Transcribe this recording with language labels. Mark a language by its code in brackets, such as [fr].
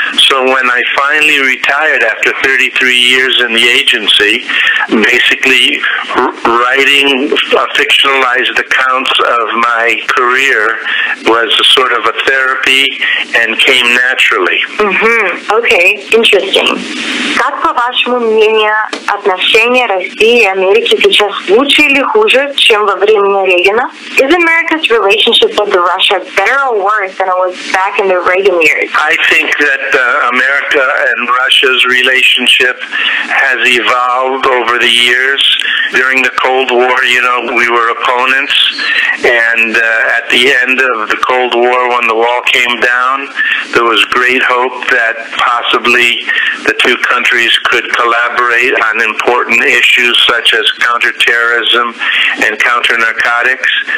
[en] So when I finally retired after 33 years in the agency, basically writing fictionalized accounts of my career was a sort of a therapy and came naturally. Mm-hmm. Okay, interesting. [ru] Как, по вашему мнению, отношения России и Америки сейчас лучше или хуже, чем во времена Рейгана? [en] Is America's relationship with Russia better or worse than it was back in the Reagan years? I think that America and Russia's relationship has evolved over the years. During the Cold War, you know, we were opponents, and at the end of the Cold War, when the wall came down, there was great hope that possibly the two countries could collaborate on important issues such as counterterrorism and counter-narcotics.